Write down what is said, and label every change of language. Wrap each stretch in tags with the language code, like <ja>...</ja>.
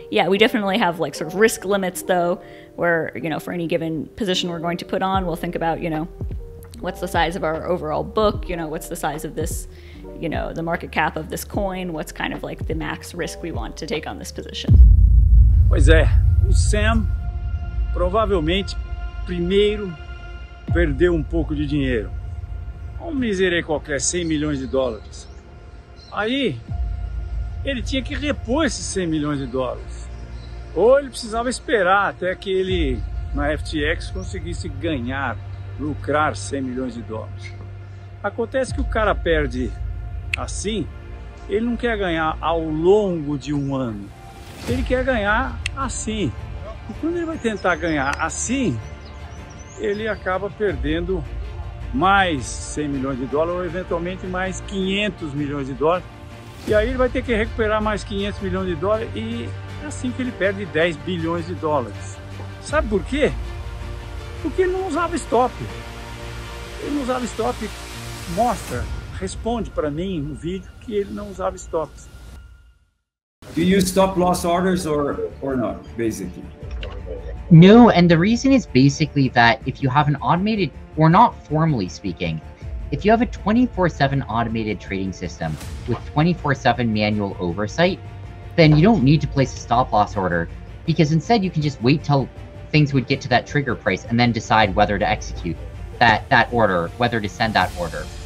<en>We definitely have like sort of risk limits though, where, you know, for any given position we're going to put on, we'll think about, you know, what's the size of our overall book, you know, what's the size of this, you know, the market cap of this coin, what's kind of like the max risk we want to take on this position.</en> <pt>Pois é, o Sam provavelmente primeiro perdeu pouco de dinheiro. Um miserê qualquer, 100 milhões de dólares. Aí, ele tinha que repor esses 100 milhões de dólares. Ou ele precisava esperar até que ele, na FTX, conseguisse ganhar, lucrar 100 milhões de dólares. Acontece que o cara perde assim, ele não quer ganhar ao longo de um ano. Ele quer ganhar assim. E quando ele vai tentar ganhar assim, ele acaba perdendo mais 100 milhões de dólares ou eventualmente mais 500 milhões de dólares. E aí ele vai ter que recuperar mais 500 milhões de dólares e é assim que ele perde 10 bilhões de dólares. Sabe por quê? Porque ele não usava stop. Ele não usava stop. Mostra, responde para mim no vídeo que ele não usava stop.</pt> <en>Do you stop loss orders or not, basically? No, and the reason is basically that if you have an automated, or not formally speaking, if you have a 24/7 automated trading system with 24/7 manual oversight, then you don't need to place a stop loss order because instead you can just wait till things would get to that trigger price and then decide whether to execute that order, whether to send that order.</en>